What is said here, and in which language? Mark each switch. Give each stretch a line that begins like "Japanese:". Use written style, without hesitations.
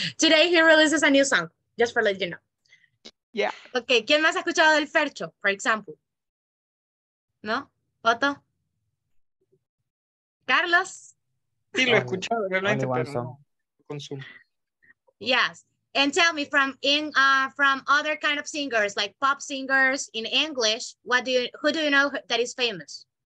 English: Today he releases a new song, just for letting you know. Yeah.
Spanish: Okay, ¿quién más ha escuchado del Fercho,
English: for example?
Spanish: ¿No? ¿Otto? ¿Carlos? Sí, lo he escuchado, realmente, pero no consumo.
English: Yes. And tell me, from other kind of singers, like pop singers in English, who do you know that is famous?